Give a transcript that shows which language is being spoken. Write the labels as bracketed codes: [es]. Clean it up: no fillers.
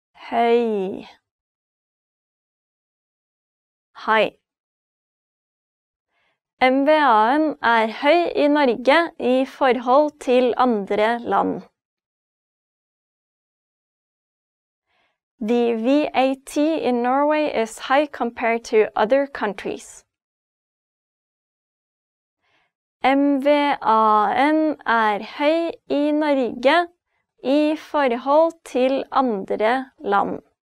[no] Høy. Hei. MVA-en høy I Norge I forhold til andre land. [en] The VAT in Norway is high compared to other countries. [no] MVA-en høy I Norge I forhold til andre land.